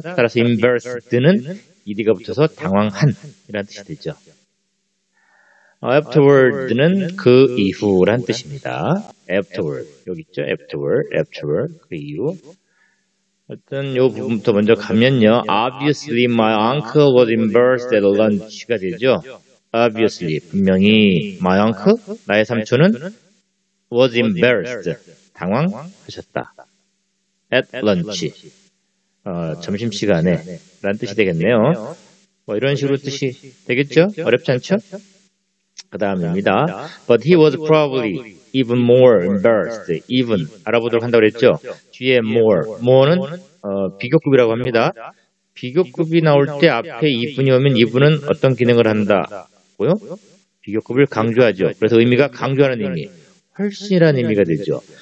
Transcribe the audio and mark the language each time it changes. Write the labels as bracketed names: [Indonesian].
[Korean] 따라서 embarrassed는 ED가 붙어서 당황한 이란 뜻이 되죠. Afterward는 그 이후란 뜻입니다. Afterward, 여기 있죠. Afterward, 그 이후. 일단 이 부분부터 먼저 가면요. [English] Obviously, my uncle was embarrassed at lunch가 [Korean] 되죠. [English] Obviously, [Korean] 분명히 [English] my uncle, [Korean] 나의 삼촌은 [English] was embarrassed, [Korean] 당황하셨다. [English] At lunch, [Korean] 점심시간에 라는 뜻이 되겠네요. 뭐 이런 식으로 뜻이 되겠죠? 어렵지 않죠? 그 다음입니다. [English] But he was probably even more embarrassed. [Korean] Even, 알아보도록 한다고 그랬죠? 뒤에 more, more는 비교급이라고 합니다. 비교급이 나올 때 앞에 even이 오면 even은 어떤 기능을 한다? 비교급을 강조하죠. 그래서 의미가 강조하는 의미, 훨씬이라는 의미가 되죠.